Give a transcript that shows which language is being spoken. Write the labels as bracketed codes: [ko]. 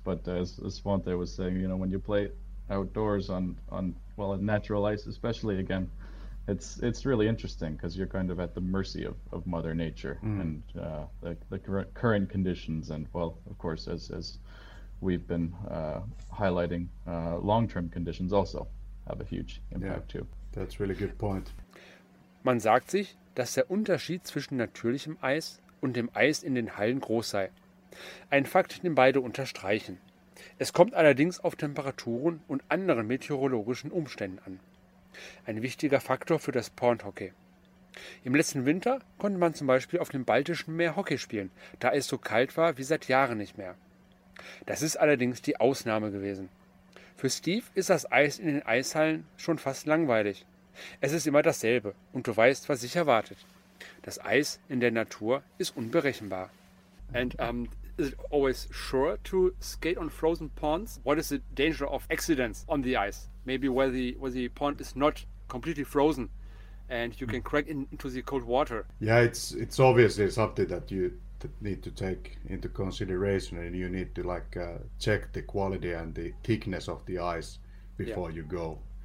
[en] But as Svante was saying, when you play outdoors on natural ice, especially, again, it's really interesting, because you're kind of at the mercy of Mother Nature and the current conditions. And well, of course, as we've been highlighting, long-term conditions also have a huge impact too. That's really good point. [de] Man sagt sich, dass der Unterschied zwischen natürlichem Eis und dem Eis in den Hallen groß sei. Ein Fakt, den beide unterstreichen. Es kommt allerdings auf Temperaturen und anderen meteorologischen Umständen an. Ein wichtiger Faktor für das Pondhockey. Im letzten Winter konnte man zum Beispiel auf dem Baltischen Meer Hockey spielen, da es so kalt war wie seit Jahren nicht mehr. Das ist allerdings die Ausnahme gewesen. Für Steve ist das Eis in den Eishallen schon fast langweilig. Es ist immer dasselbe und du weißt, was dich erwartet. Das Eis in der Natur ist unberechenbar. [en] And is it always sure to skate on frozen ponds? What is the danger of accidents on the ice? Maybe where the pond is not completely frozen and you can crack into the cold water. Yeah, it's obviously something that you need to take into consideration, and you need to like check the quality and the thickness of the ice before you go.